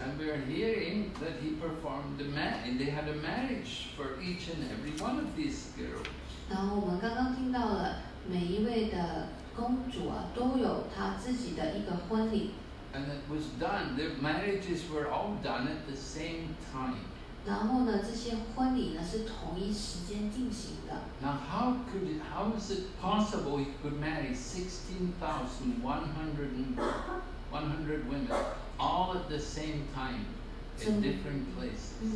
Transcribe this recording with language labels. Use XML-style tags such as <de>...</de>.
<en>And we are hearing that he performed a marriage. They had a marriage for each and every one of these girls.</en> <zh>然后我们刚刚听到了每一位的公主啊，都有她自己的一个婚礼。</zh> <en>And it was done. Their marriages were all done at the same time.</en> <zh>然后呢，这些婚礼呢是同一时间进行的。</zh> <en>Now how is it possible he could marry 16,100 women, all at the same time, in different places.</en>